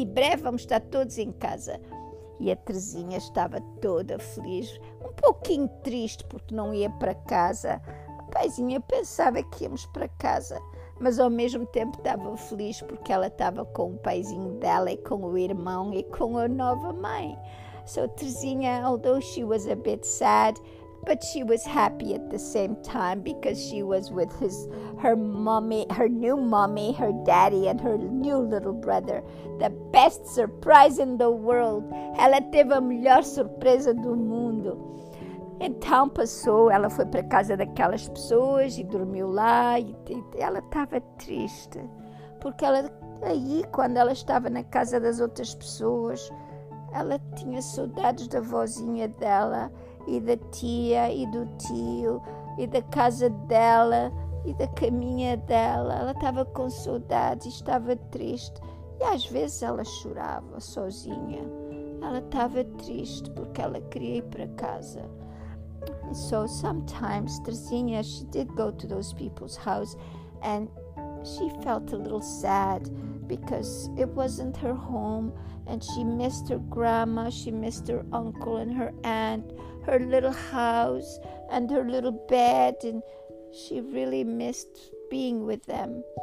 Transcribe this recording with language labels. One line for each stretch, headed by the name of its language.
Portuguese: E breve vamos estar todos em casa. E a Teresinha estava toda feliz, um pouquinho triste porque não ia para casa. A paizinha pensava que íamos para casa, mas ao mesmo tempo estava feliz porque ela estava com o paizinho dela e com o irmão e com a nova mãe.
English: So Teresinha, although she was a bit sad, but she was happy at the same time because she was with her new mommy, her daddy, and her new little brother. The best surprise in the world.
Portuguese: Ela teve a melhor surpresa do mundo. Então passou, ela foi para casa daquelas pessoas e dormiu lá e ela estava triste, porque ela aí quando ela estava na casa das outras pessoas, ela tinha saudades da vozinha dela e da tia e do tio e da casa dela e da caminha dela. Ela estava com saudades e estava triste. E às vezes ela chorava sozinha. Ela estava triste porque ela queria ir para casa.
English: And so sometimes Teresinha, she did go to those people's house and she felt a little sad because it wasn't her home and she missed her grandma, she missed her uncle and her aunt, her little house and her little bed, and she really missed being with them.